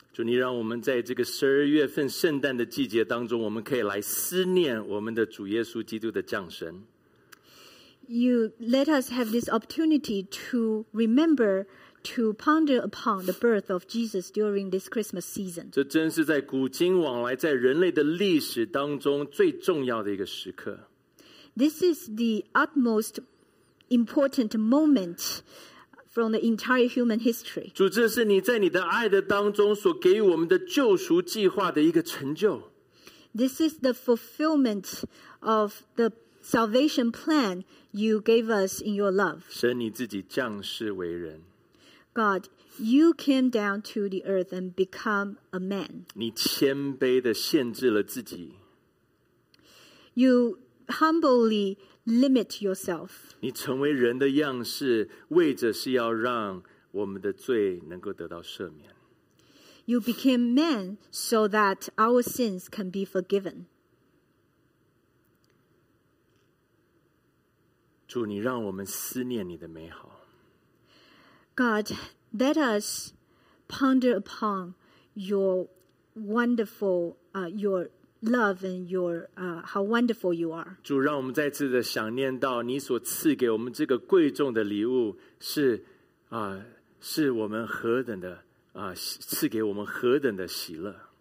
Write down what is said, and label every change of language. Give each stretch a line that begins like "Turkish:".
Chinese: 主，你让我们在这个十二月份圣诞的季节当中，我们可以来思念我们的主耶稣基督的降生。
English: You let us have this opportunity to remember, to ponder upon the birth of Jesus during this Christmas season.
Chinese: 这真是在古今往来，在人类的历史当中最重要的一个时刻。
English: This is the utmost important moment from the entire human history.
Chinese: 主，这是你在你的爱的当中所给予我们的救赎计划的一个成就。
English: This is the fulfillment of the salvation plan you gave us in your love.
Chinese: 神，你自己降世为人。
English: God, you came down to the earth and become a man.
Chinese: 你谦卑地限制了自己。
English: You humbly limit yourself.
Chinese: 你成为人的样式，为着是要让我们的罪能够得到赦免。
English: You became man so that our sins can be forgiven.
Chinese: 主，你让我们思念你的美好。
English: God, let us ponder upon your wonderful, your love and your, how wonderful you are.
Chinese: 主，让我们再次的想念到你所赐给我们这个贵重的礼物是是我们何等的赐给我们何等的喜乐。